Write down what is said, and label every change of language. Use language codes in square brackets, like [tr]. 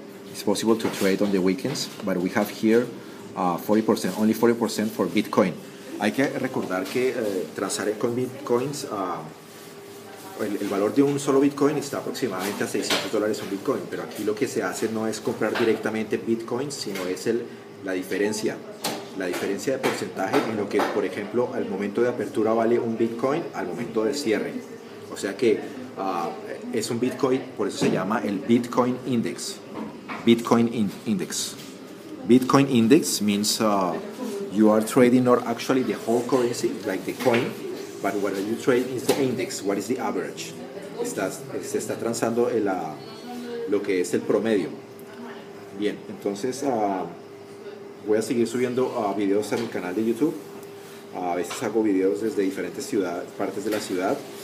[en] It's possible to trade on the weekends, but we have here 40%, only 40% for Bitcoin. [es] Hay que recordar que transar con Bitcoins, el valor de un solo Bitcoin está aproximadamente a $600 un Bitcoin, pero aquí lo que se hace no es comprar directamente Bitcoins, sino es la diferencia de porcentaje en lo que, por ejemplo, al momento de apertura vale un Bitcoin al momento de cierre. O sea que es un Bitcoin, por eso se llama el Bitcoin Index. [en] Bitcoin index means you are trading not actually the whole currency like the coin, but what are you trading is the index. What is the average? [es] Se está transando el lo que es el promedio. Bien, entonces voy a seguir subiendo videos a mi canal de YouTube. A veces hago videos desde diferentes partes de la ciudad.